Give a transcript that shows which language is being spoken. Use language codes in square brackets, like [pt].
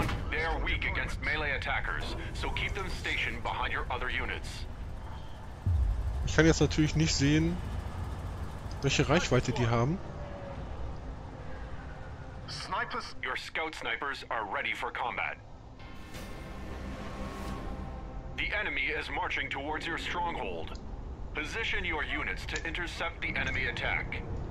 [en] They are weak against melee attackers, so keep them stationed behind your other units. [de] Ich kann jetzt natürlich nicht sehen, welche Reichweite die haben. [en] Snipers, your scout snipers are ready for combat. The enemy is marching towards your stronghold. Position your units to intercept the enemy attack.